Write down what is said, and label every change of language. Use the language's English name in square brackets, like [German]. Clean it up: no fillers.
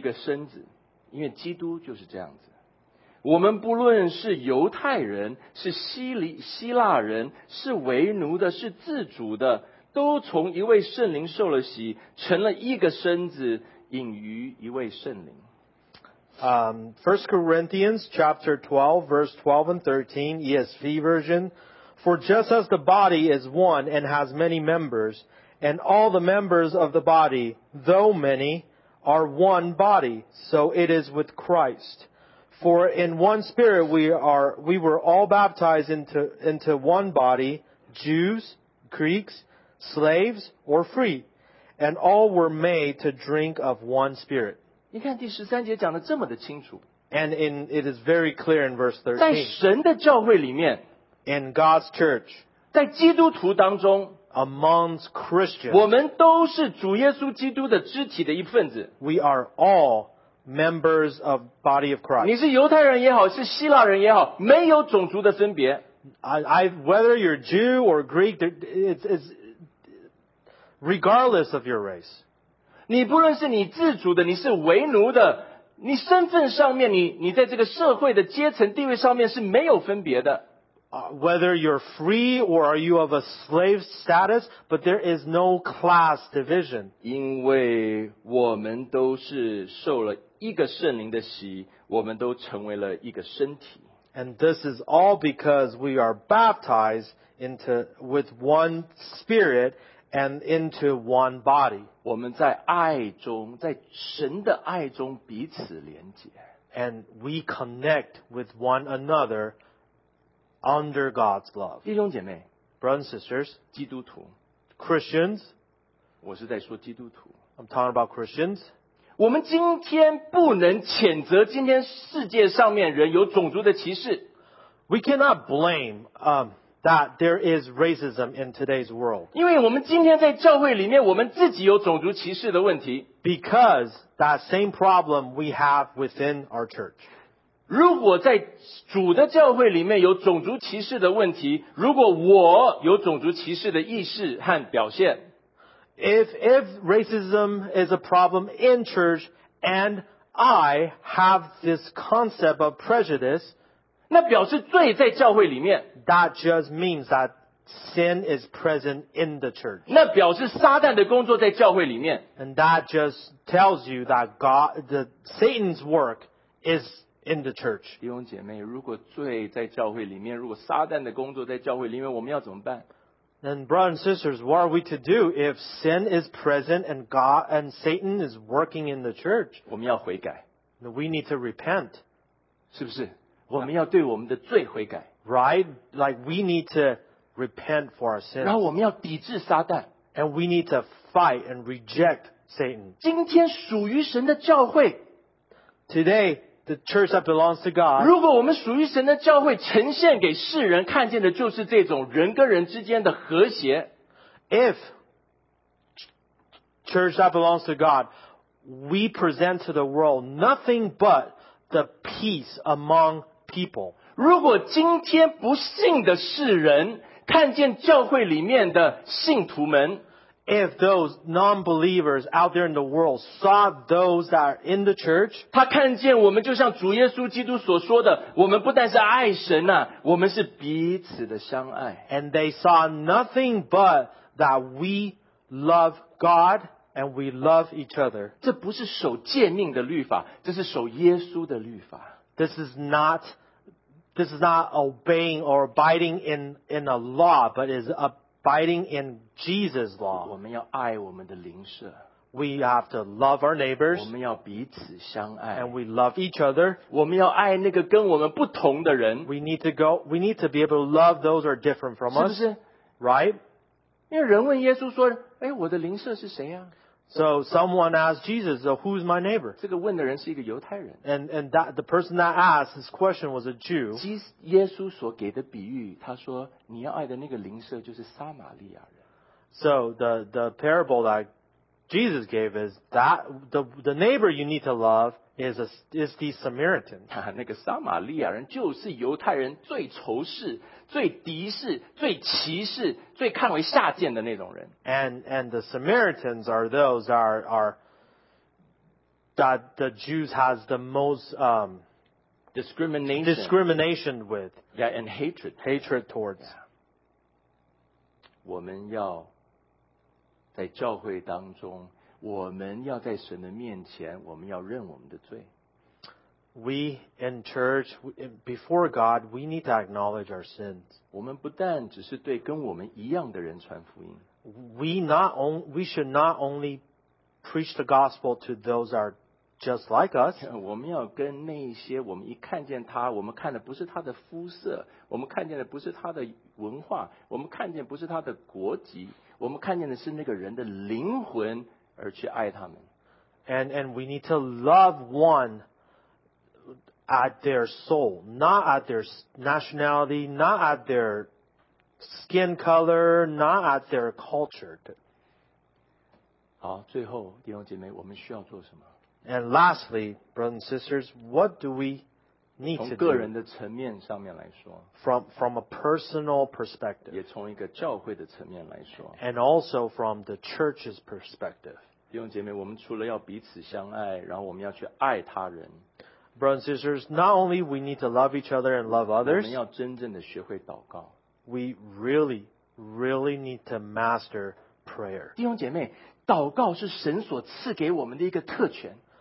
[Chinese] 12:13。12:13。就如身子是一个，讲到的是教会啊，却有许多的肢体啊，肢体虽然是多，可是仍然是一个身子，因为基督就是这样子。我们不论是犹太人，是希腊人，是为奴的，是自主的，都从一位圣灵受了洗，成了一个身子，隐于一位圣灵。 [English] First Corinthians chapter 12, verse 12 and 13, ESV version. For just as the body is one and has many members, and all the members of the body, though many, are one body, so it is with Christ. For in one spirit we were all baptized into one body, Jews, Greeks, slaves or free, and all were made to drink of one spirit. [Chinese] 你看第十三节讲得这么的清楚。 [English] And in, it is very clear in verse 13. [Chinese] 在神的教会里面。 [English] In God's church. [Chinese] 在基督徒当中。 [English] Amongst Christians. [Chinese] 我们都是主耶稣基督的肢体的一份子。 [English] We are all members of body of Christ. [Chinese] 你是犹太人也好，是希腊人也好，没有种族的分别。 [English] Whether you're Jew or Greek, it's regardless of your race. [Chinese] 你不论是你自主的，你是为奴的，你身份上面，你在这个社会的阶层地位上面是没有分别的。 [English] Whether you're free or are you of a slave status, but there is no class division. [Chinese] 因为我们都是受了一个圣灵的洗，我们都成为了一个身体。 [English] And this is all because we are baptized into, with one spirit and into one body. [Chinese] 我们在爱中，在神的爱中彼此连结。 [English] And we connect with one another under God's love. [Chinese] 弟兄姐妹 [English] Brothers and sisters, [Chinese] 基督徒 [English] Christians, [Chinese] 我是在说基督徒 [English] I'm talking about Christians. [Chinese] 我们今天不能谴责今天世界上面人有种族的歧视。 [English] We cannot blame, that there is racism in today's world. [Chinese] 因为我们今天在教会里面我们自己有种族歧视的问题。 [English] Because that same problem we have within our church. [Chinese] 如果在主的教会里面有种族歧视的问题，如果我有种族歧视的意识和表现， [English] If racism is a problem in church and I have this concept of prejudice, [Chinese] 那表示罪在教会里面。 [English] That just means that sin is present in the church. [Chinese] 那表示撒旦的工作在教会里面。 [English] And that just tells you that God, the Satan's work is in the church. [Chinese] 弟兄姐妹，如果罪在教会里面，如果撒旦的工作在教会里面，我们要怎么办？ [English] And brothers and sisters, what are we to do if sin is present and God and Satan is working in the church? [Chinese] 我们要悔改。 [English] We need to repent. [Chinese] 是不是？我们要对我们的罪悔改。 [English] Right? Like we need to repent for our sins. [Chinese] 然后我们要抵制撒旦。 [English] And we need to fight and reject Satan. [Chinese] 今天属于神的教会。 [English] Today, the church that belongs to God. [Chinese] 如果我们属于神的教会呈现给世人看见的就是这种人跟人之间的和谐。 [English] If church that belongs to God, we present to the world nothing but the peace among people. [Chinese] 如果今天不信的世人看见教会里面的信徒们， [English] If those non-believers out there in the world saw those that are in the church, [Chinese] 他看见我们就像主耶稣基督所说的，我们不但是爱神啊，我们是彼此的相爱。 [English] And they saw nothing but that we love God and we love each other. [Chinese] 这不是守诫命的律法，这是守耶稣的律法。 [English] This is not obeying or abiding in a law, but is abiding in Jesus' law. [Chinese] 我们要爱我们的邻舍。 [English] We have to love our neighbors. [Chinese] 我们要彼此相爱。 [English] And we love each other. [Chinese] 我们要爱那个跟我们不同的人。 [English] We need to be able to love those who are different from us. [Chinese] 是不是？ [English] Right? [Chinese] 因为人问耶稣说，哎，我的邻舍是谁啊？ [English] So someone asked Jesus, so who's my neighbor? [Chinese] 这个问的人是一个犹太人。 [English] And that, the person that asked this question was a Jew. [Chinese] 耶稣所给的比喻，他说，你要爱的那个邻舍就是撒玛利亚人。 [English] So the parable that Jesus gave is that the neighbor you need to love is the Samaritan. [Chinese] 那个撒玛利亚人就是犹太人最仇视、最敌视、最歧视、最看为下贱的那种人。 [English] And the Samaritans are those are that the Jews has the most discrimination with. Yeah, and hatred towards. Yeah. [Chinese] 我们要在教会当中，我们要在神的面前，我们要认我们的罪。 [English] We in church before God, we need to acknowledge our sins. [Chinese] 我们不但只是对跟我们一样的人传福音。 [English] We should not only preach the gospel to those that are just like us. [Chinese] 我们要跟那些我们一看见他，我们看的不是他的肤色，我们看见的不是他的文化，我们看见不是他的国籍，我们看见的是那个人的灵魂而去爱他们。 [English] And we need to love one at their soul, not at their nationality, not at their skin color, not at their culture. [Chinese] 好，最后弟兄姐妹，我们需要做什么？ [English] And lastly, brothers and sisters, what do we need to do? [Chinese] 从个人的层面上面来说。 [English] From a personal perspective. [Chinese] 也从一个教会的层面来说。 [English] And also from the church's perspective. [Chinese] 弟兄姐妹，我们除了要彼此相爱，然后我们要去爱他人。 [English] Brothers and sisters, not only we need to love each other and love others. [Chinese] 我们要真正的学会祷告。 [English] We really, really need to master prayer. [Chinese] 弟兄姐妹，祷告是神所赐给我们的一个特权。